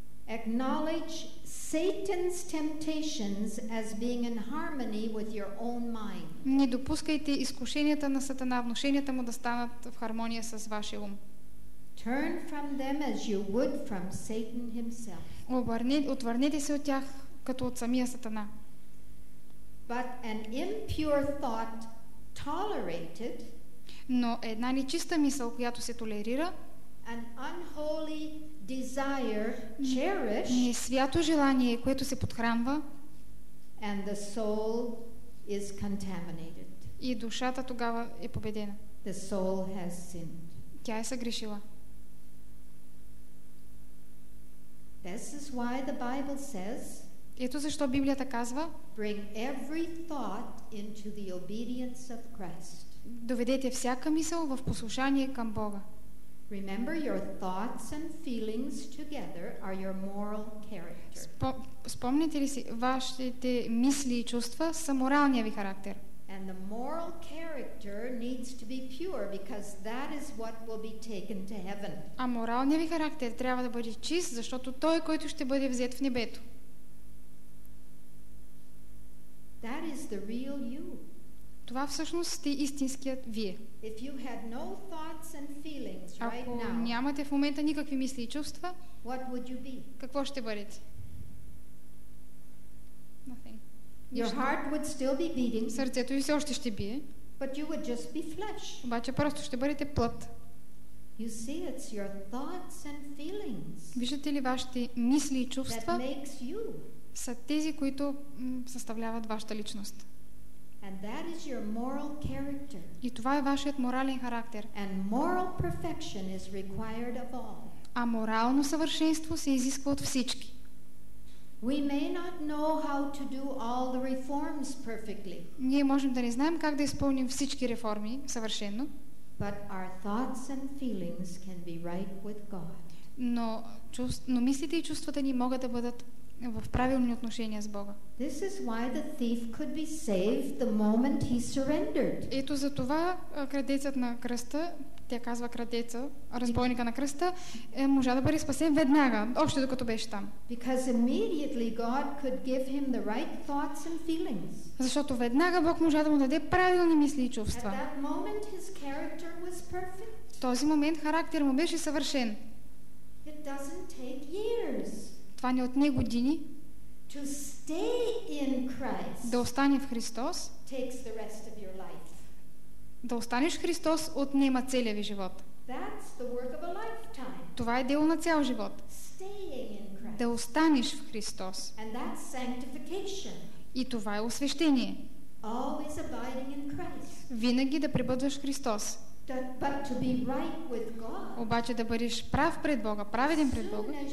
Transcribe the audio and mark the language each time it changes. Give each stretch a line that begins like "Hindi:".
English: acknowledge Satan's temptations as being in harmony with your own mind.
Bulgarian: Не допускайте изкушенията на Сатана, внушенията му да станат в хармония с вашия ум.
English: Turn from them as you would from Satan himself.
Bulgarian: Отвърнете се от тях като от самия Сатана.
English: But an impure thought tolerated,
Bulgarian: но една нечиста мисъл, която се толерира,
English: an unholy desire cherished,
Bulgarian: не свято желание, което се подхранва,
English: and the soul is contaminated.
Bulgarian: И душата тогава е победена.
English: The soul has sinned.
Bulgarian: Тя е съгрешила.
English: This is why the Bible says,
Bulgarian: ето защо Библията казва,
English: bring every thought into the obedience of Christ.
Bulgarian: Доведете всяка мисъл в послушание към Бога.
English: Remember, your thoughts and feelings together are your moral character.
Bulgarian: Спомнете ли си, вашите мисли и чувства са моралния ви характер.
English: And the moral character needs to be pure because that is what will be taken to heaven.
Bulgarian: А моралният ви характер трябва да бъде чист, защото той, който ще бъде взет в небето.
English: That is the real you.
Bulgarian: Това всъщност е истинският вие.
English: If you had no thoughts and feelings right now,
Bulgarian: ако нямате в момента никакви мисли и чувства,
English: what would you be?
Bulgarian: Какво ще бъдете?
English: Nothing. Your heart would still be beating.
Bulgarian: Сърцето ви все още ще бие.
English: But you would just be flesh.
Bulgarian: Обаче просто ще бъдете плът.
English: You see, it's your thoughts and feelings.
Bulgarian: Виждате ли, вашите мисли и чувства
English: that makes you.
Bulgarian: Са тези, които съставляват вашата личност.
English: And that is your moral character.
Bulgarian: И това е вашият морален характер.
English: And moral perfection is required of all.
Bulgarian: А морално съвършенство се изисква от всички.
English: We may not know how to do all the reforms perfectly.
Bulgarian: Ние можем да не знаем как да изпълним всички реформи съвършено.
English: But our thoughts and feelings can be right with God.
Bulgarian: Но мислите и чувствата ни могат да бъдат в правилни отношения с Бога.
English: This is why the thief could be saved the moment he surrendered.
Bulgarian: Ето за това крадецът на кръста, тя казва крадеца, разбойника на кръста, можа да бъде спасен веднага, още докато беше там.
English: Because immediately God could give him the right thoughts and feelings.
Bulgarian: Защото веднага Бог можа да му даде правилни мисли и чувства.
English: At that moment his character was perfect.
Bulgarian: В този момент характер му беше съвършен.
English: It doesn't take years.
Bulgarian: Това не отне години.
English: To stay in Christ,
Bulgarian: да остане в Христос,
English: takes the rest of your life.
Bulgarian: Да останеш в Христос отнема целия ви живот.
English: That's the work of a lifetime.
Bulgarian: Това е дело на цял живот.
English: Staying in Christ.
Bulgarian: Да останеш в Христос.
English: And that's sanctification.
Bulgarian: И това е освещение.
English: Always abiding in Christ.
Bulgarian: Винаги да пребъдваш в Христос.
English: But to be right with God.
Bulgarian: Обаче да бъдеш прав пред Бога, праведен пред Бога.